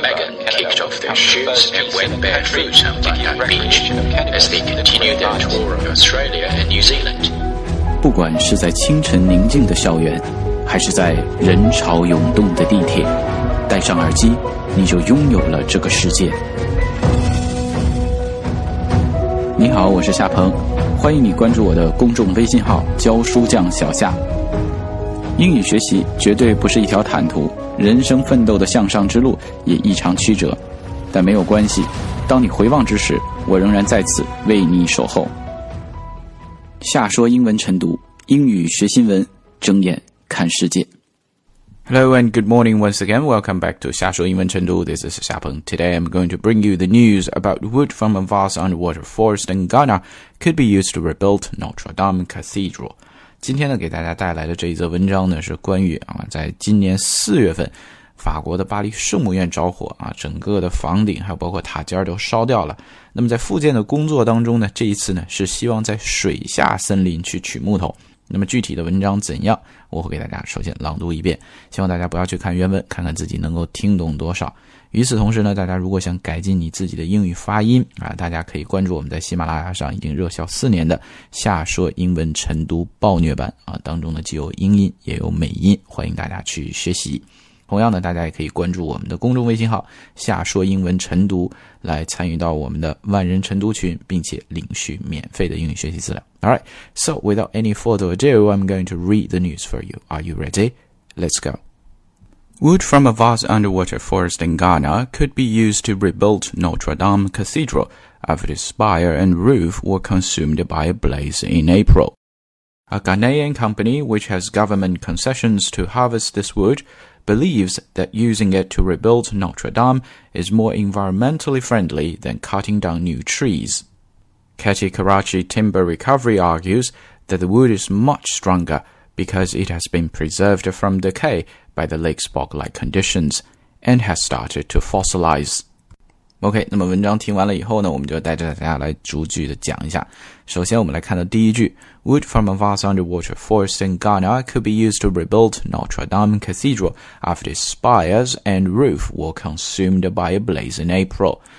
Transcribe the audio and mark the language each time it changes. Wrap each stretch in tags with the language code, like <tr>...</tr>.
<en>Megan kicked off their shoots and went barefoot on Bondi Beach as they continued their tour of Australia and New Zealand.</en> <zh>不管是在清晨宁静的校园，还是在人潮涌动的地铁，戴上耳机，你就拥有了这个世界。你好，我是夏鹏，欢迎你关注我的公众微信号教书匠小夏。英语学习绝对不是一条坦途，人生奋斗的向上之路也异常曲折，但没有关系，当你回望之时，我仍然在此为你守候。夏说英文晨读，英语学新闻，睁眼看世界。</zh> <en>Hello and good morning once again. Welcome back to 夏说英文晨读。This is 夏鹏。 Today I'm going to bring you the news about wood from a vast underwater forest in Ghana could be used to rebuild Notre Dame Cathedral.</en> <zh>今天呢，给大家带来的这一则文章呢，是关于在今年四月份，法国的巴黎圣母院着火整个的房顶还有包括塔尖都烧掉了。那么在复建的工作当中呢，这一次呢是希望在水下森林去取木头。那么具体的文章怎样，我会给大家首先朗读一遍，希望大家不要去看原文，看看自己能够听懂多少。与此同时呢，大家如果想改进你自己的英语发音大家可以关注我们在喜马拉雅上已经热销四年的夏说英文晨读暴虐版当中呢既有英音也有美音，欢迎大家去学习。同样呢，大家也可以关注我们的公众微信号夏说英文晨读，来参与到我们的万人晨读群，并且领取免费的英语学习资料。</zh> <en>Alright, so without any further ado, I'm going to read the news for you. Are you ready? Let's go. Wood from a vast underwater forest in Ghana could be used to rebuild Notre Dame Cathedral after its spire and roof were consumed by a blaze in April. A Ghanaian company which has government concessions to harvest this wood believes that using it to rebuild Notre Dame is more environmentally friendly than cutting down new trees. Keti Karachi Timber Recovery argues that the wood is much stronger because it has been preserved from decay by the lake's bog-like conditions and has started to fossilize.</en> <zh>OK, 那么文章听完了以后呢，我们就带着大家来逐句的讲一下。首先我们来看到第一句，</zh> <en>Wood from a vast underwater forest in Ghana could be used to rebuild Notre Dame Cathedral after its spires and roof were consumed by a blaze in April.</en>